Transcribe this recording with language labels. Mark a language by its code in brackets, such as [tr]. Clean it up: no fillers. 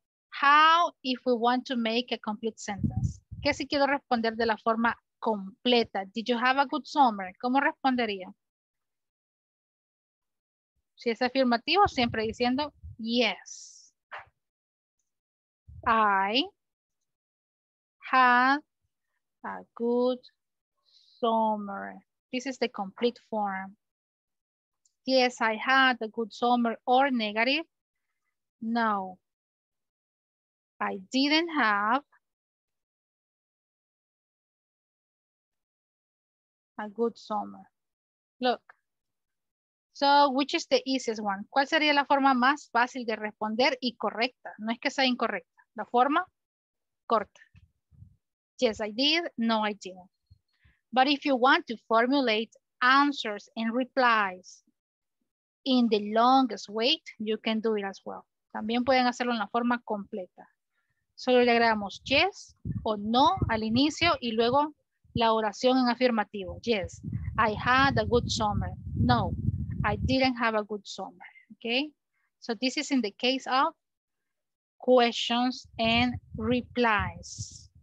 [en] How if we want to make a complete sentence? [es] ¿Qué si quiero responder de la forma completa? [en] Did you have a good summer? [es] ¿Cómo respondería? Si es afirmativo, siempre diciendo [en] yes. I had a good summer. This is the complete form. Yes, I had a good summer. Or negative. No. I didn't have a good summer. Look. So, which is the easiest one? [es] ¿Cuál sería la forma más fácil de responder y correcta? No es que sea incorrecta. La forma corta. [en] Yes, I did. No, I didn't. But if you want to formulate answers and replies in the longest way, you can do it as well. [es] También pueden hacerlo en la forma completa. Solo le agregamos yes o no al inicio y luego la oración en afirmativo. [en] Yes, I had a good summer. No, I didn't have a good summer. Okay, so this is in the case of questions and replies.